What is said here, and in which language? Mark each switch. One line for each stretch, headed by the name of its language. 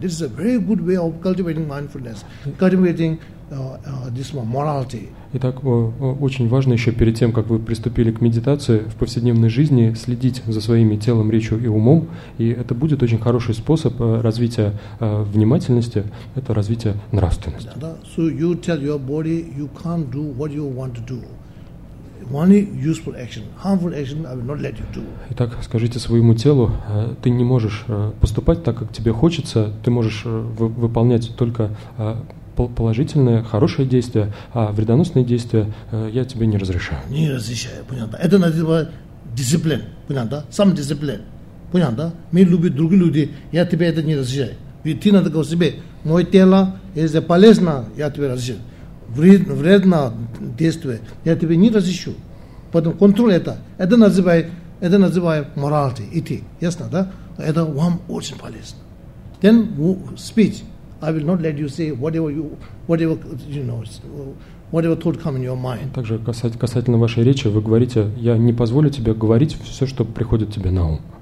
English: This is a very good way of cultivating mindfulness, cultivating this morality.
Russian: Итак, очень важно еще перед тем, как вы приступили к медитации в повседневной жизни, следить за своими телом, речью и умом, и это будет очень хороший способ развития внимательности. Это развитие нравственности.
English: So you tell your body you can't do what you want to do. Only useful action. Harmful action I will not let you do.
Russian: Итак, скажите своему телу, ты не можешь поступать так, как тебе хочется, ты можешь выполнять только положительные, хорошие действия, а вредоносные действия я тебе не разрешаю. Не разрешаю, понятно. Это называется дисциплина, понятно, да? Сам дисциплина, понятно, да? Мир любит другие люди, я тебе это не разрешаю. Ведь ты надо говорить себе, мое тело, если полезно, я тебе разрешаю. Вредно действие, я тебе не разрешу. Поэтому контроль это называется morality, этик. Ясно, да? Это вам очень полезно.
English: Then speech, I will not let you say whatever thought come in your mind.
Russian: Также касательно вашей речи, вы говорите, я не позволю тебе говорить все, что приходит тебе на ум.